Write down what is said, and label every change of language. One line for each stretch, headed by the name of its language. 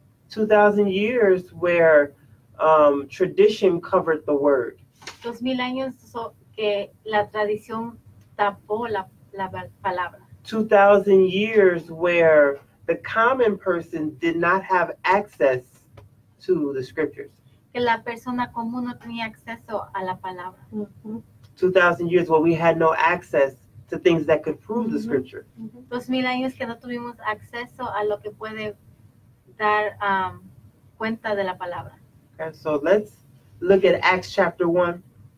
English: 2,000 years where tradition covered the word.
Spanish: 2,000 años que la tradición tapó la palabra.
English: 2,000 years where the common person did not have access to the scriptures.
Spanish: Que la persona común no tenía acceso a la palabra. Mm-hmm.
English: 2,000 years where we had no access to things that could prove mm-hmm. the scripture.
Spanish: 2,000 años que no tuvimos acceso a lo que puede dar cuenta de la palabra.
English: Okay, so let's look at Acts chapter 1 and verse 15.